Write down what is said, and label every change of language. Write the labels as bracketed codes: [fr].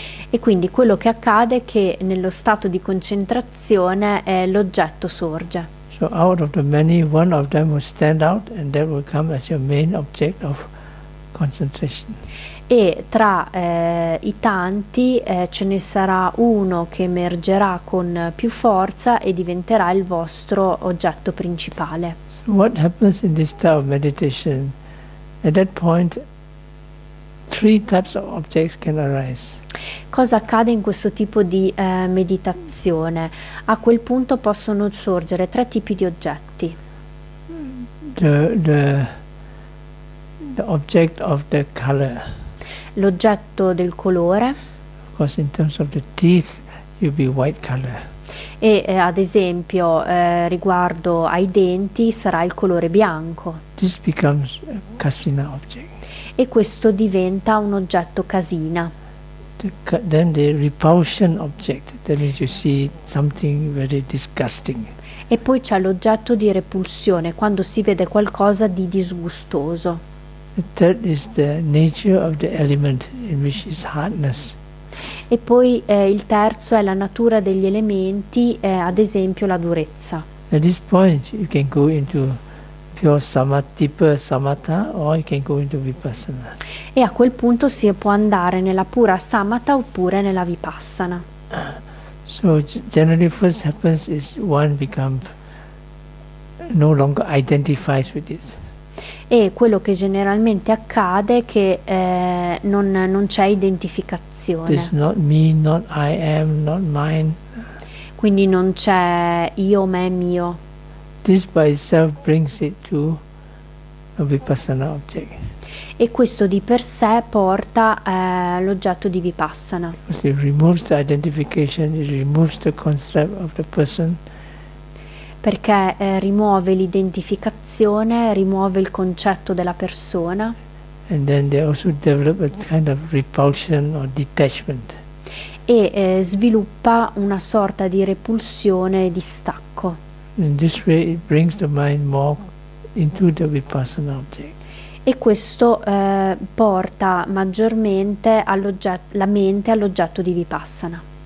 [it] E quindi quello che accade è che nello stato di concentrazione l'oggetto sorge. [en] So out of the many one of them will stand out and that will come as your main object of concentration. [it] E tra i tanti ce ne sarà uno che emergerà con più forza e diventerà il vostro oggetto principale. [en] So what happens in this type of meditation? At that point, three types of objects can arise. [it] Cosa accade in questo tipo di meditazione? A quel punto possono sorgere tre tipi di oggetti. [en] The object of the color. [it] L'oggetto del colore. [en] Of course, in terms of the teeth, you'll be white color. [it] E ad esempio riguardo ai denti sarà il colore bianco. [en] This becomes a casino object. [it] E questo diventa un oggetto casina. [en] Then the repulsion object. That means you see something very disgusting. [it] E poi c'è l'oggetto di repulsione quando si vede qualcosa di disgustoso. [en] That is the nature of the element in which is hardness. [it] E poi il terzo è la natura degli elementi, ad esempio la durezza. [en] At this point you can go into pure samatha, deeper samatha, or you can go into vipassana. [it] E a quel punto si può andare nella pura samatha oppure nella vipassana. [en] So generally first happens is one becomes no longer identifies with it. [it] E quello che generalmente accade è che non c'è identificazione. [en] It's not me, not I am, not mine. [it] Quindi non c'è io, me, mio. [en] This by itself brings it to a vipassana object. [it] E questo di per sé porta l'oggetto di vipassana. [en] It removes the identification, it removes the concept of the person. [it] Perché rimuove l'identificazione, rimuove il concetto della persona. [en] And then they also develop a kind of repulsion or detachment. [it] E sviluppa una sorta di repulsione e distacco. [en] In this way it brings the mind more into the vipassana object. [it] E questo porta maggiormente la mente all'oggetto di vipassana.